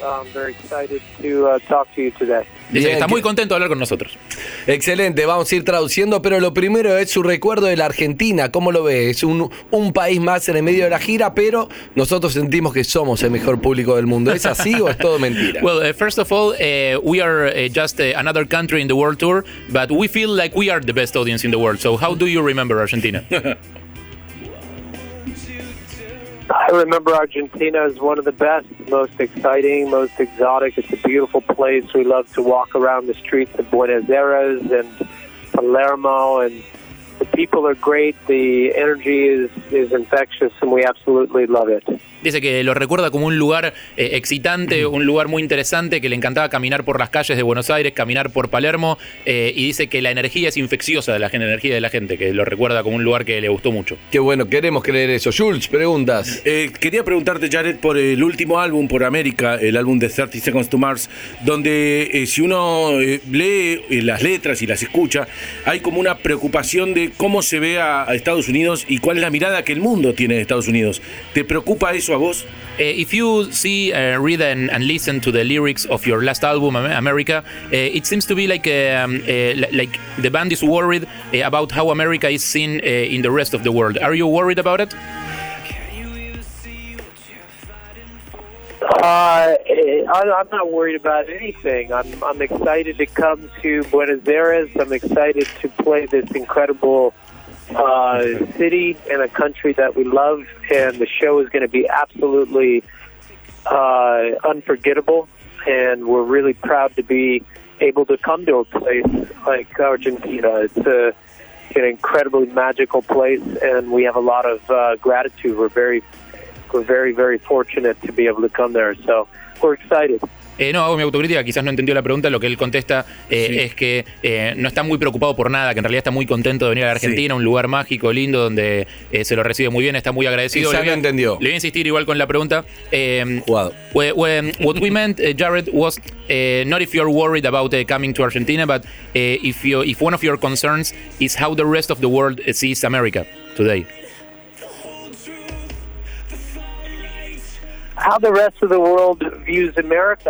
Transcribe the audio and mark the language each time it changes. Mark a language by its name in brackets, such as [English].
[English] I'm very excited to talk to you today. [Spanish] Bien, está muy contento de hablar con nosotros. Excelente, vamos a ir traduciendo, pero lo primero es su recuerdo de la Argentina. ¿Cómo lo ves? Es un país más en el medio de la gira, pero nosotros sentimos que somos el mejor público del mundo. ¿Es así o es todo mentira? [English] Well, first of all, we are just another country in the world tour, but we feel like we are the best audience in the world. So how do you remember Argentina? I remember Argentina as one of the best, most exciting, most exotic. It's a beautiful place. We love to walk around the streets of Buenos Aires and Palermo, and the people are great. The energy is infectious, and we absolutely love it. [Spanish] Dice que lo recuerda como un lugar excitante, un lugar muy interesante, que le encantaba caminar por las calles de Buenos Aires, caminar por Palermo, y dice que la energía es infecciosa, de la gente, energía de la gente, que lo recuerda como un lugar que le gustó mucho. Qué bueno, queremos creer eso. Jules, preguntas. Quería preguntarte, Jared, por el último álbum, por América, el álbum de 30 Seconds to Mars, donde si uno lee las letras y las escucha, hay como una preocupación de cómo se ve a Estados Unidos y cuál es la mirada que el mundo tiene de Estados Unidos. ¿Te preocupa eso? [English] If you see, read and listen to the lyrics of your last album, America, it seems to be like like the band is worried about how America is seen in the rest of the world. Are you worried about it? I'm not worried about anything. I'm excited to come to Buenos Aires. I'm excited to play this incredible city and a country that we love, and the show is going to be absolutely unforgettable, and we're really proud to be able to come to a place like Argentina. It's an incredibly magical place, and we have a lot of gratitude. We're very, very fortunate to be able to come there, so we're excited. [Spanish] No, hago mi autocrítica, quizás no entendió la pregunta. Lo que él contesta es que no está muy preocupado por nada, que en realidad está muy contento de venir a la Argentina, sí. Un lugar mágico, lindo, donde se lo recibe muy bien, está muy agradecido. Quizás no entendió. Le voy a insistir igual con la pregunta. [English] What we meant, Jared, was not if you're worried about coming to Argentina, but if one of your concerns is how the rest of the world sees America today. How the rest of the world views America.